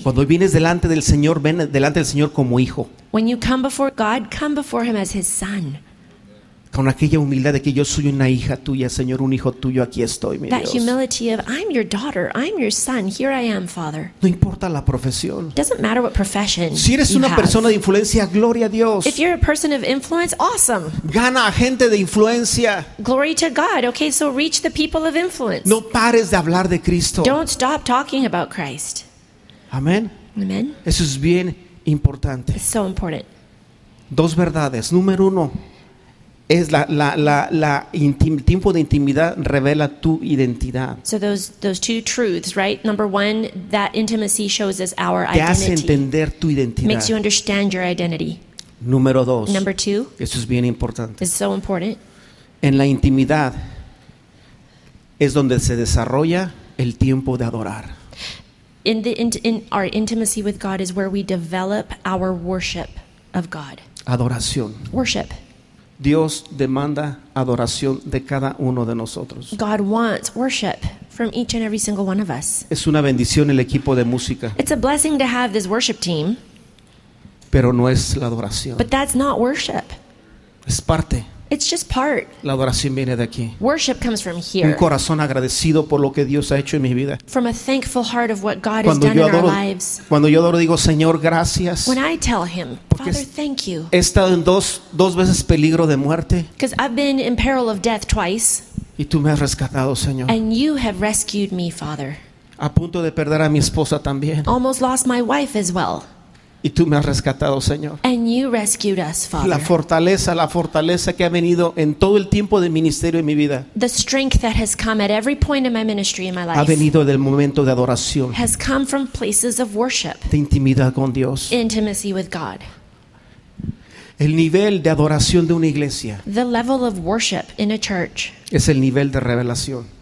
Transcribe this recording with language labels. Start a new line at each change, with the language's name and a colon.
Spanish: Cuando vienes delante del Señor, ven delante del Señor como hijo.
English: When you come before God, come before him as his son.
Spanish: Con aquella humildad de que yo soy una hija tuya, Señor, un hijo tuyo, aquí estoy, mi Dios.
English: That humility of I'm your daughter, I'm your son, here I am, Father.
Spanish: No importa la profesión.
English: Doesn't matter what profession.
Spanish: Si eres una persona de influencia, gloria a Dios.
English: If you're a person of influence, awesome.
Spanish: Gana a gente de influencia.
English: Glory to God. Okay, so reach the people of influence.
Spanish: No pares de hablar de Cristo.
English: Don't stop talking about Christ.
Spanish: Amén.
English: Amen.
Spanish: Eso es bien importante.
English: It's so important.
Spanish: Dos verdades. Número uno. Es el tiempo de intimidad revela tu identidad.
English: So those two truths, right? Number one, that intimacy shows us our identity.
Spanish: Te hace entender tu identidad.
English: Makes you understand your identity.
Spanish: Número dos.
English: Number two.
Spanish: Eso es bien importante.
English: It's so important.
Spanish: En la intimidad es donde se desarrolla el tiempo de adorar.
English: In our intimacy with God is where we develop our worship of God.
Spanish: Adoración.
English: Worship.
Spanish: Dios demanda adoración de cada uno de nosotros.
English: God wants worship from each and every single one of us.
Spanish: Es una bendición el equipo de música.
English: It's a blessing to have this worship team.
Spanish: Pero no es la adoración.
English: But that's not worship.
Spanish: Es parte.
English: It's just part.
Spanish: La adoración viene de aquí.
English: Worship comes from here.
Spanish: Un corazón agradecido por lo que Dios ha hecho en mi vida.
English: From a thankful heart of what God has done in our lives.
Spanish: Cuando yo adoro digo, Señor, gracias.
English: When I tell him, Father, thank you.
Spanish: He estado en dos veces peligro de muerte.
English: Because I've been in peril of death twice.
Spanish: Y tú me has rescatado, Señor.
English: And you have rescued me, Father.
Spanish: A punto de perder a mi esposa también.
English: Almost lost my wife as well.
Spanish: Y tú me has rescatado, Señor.
English: And you rescued us, Father.
Spanish: La fortaleza que ha venido en todo el tiempo de ministerio en mi vida.
English: The strength that has come at every point in my ministry in my life.
Spanish: Ha venido del momento de adoración.
English: Has come from places of worship.
Spanish: De intimidad con Dios.
English: Intimacy with God.
Spanish: El nivel de adoración de una iglesia.
English: The level of worship in a church.
Spanish: Es el nivel de revelación.